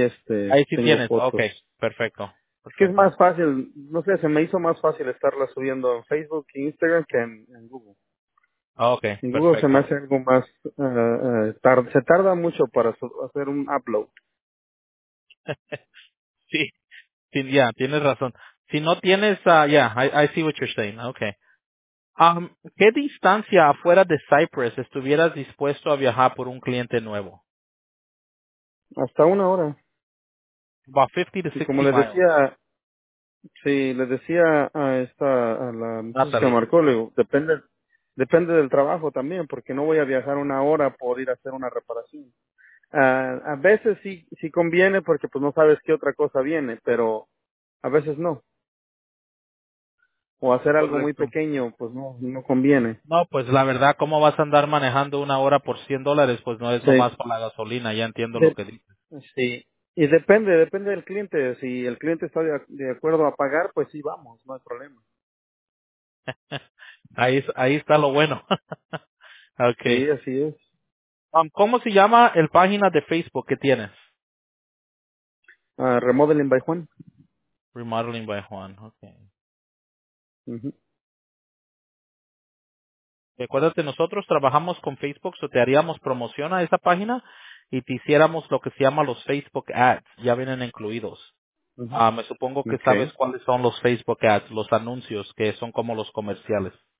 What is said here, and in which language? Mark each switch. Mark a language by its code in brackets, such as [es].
[es] ahí sí tienes, fotos. Ok, perfecto. Es que es más fácil, no sé, se me hizo más fácil estarla subiendo en Facebook e Instagram que en Google. [en] Ok, [es] en Google perfecto. Se me hace algo más, se tarda mucho para hacer un upload. Sí, ya, yeah, tienes razón. Si no tienes, [en] I see what you're saying, ok. [es] ¿Qué distancia afuera de Cyprus estuvieras dispuesto a viajar por un cliente nuevo? Hasta una hora. [en] About 50 to 60 [es] como [en] miles. [es] Como les decía, sí, les decía a esta, a la muchacha que marcó, depende del trabajo también, porque no voy a viajar una hora por ir a hacer una reparación. A veces sí conviene porque pues no sabes qué otra cosa viene, pero a veces no. O hacer algo muy pequeño, pues no conviene. No, pues la verdad, ¿cómo vas a andar manejando una hora por $100? Pues no es lo más para la gasolina, ya entiendo lo que dices. Sí, y depende del cliente. Si el cliente está de acuerdo a pagar, pues sí, vamos, no hay problema. Ahí está lo bueno. Okay. Sí, así es. ¿Cómo se llama el página de Facebook que tienes? Remodeling by Juan. Remodeling by Juan, okay. Uh-huh. Recuérdate, nosotros trabajamos con Facebook, o te haríamos promoción a esa página y te hiciéramos lo que se llama los Facebook Ads. Ya vienen incluidos. Uh-huh. Me supongo que sabes cuáles son los Facebook Ads, los anuncios, que son como los comerciales.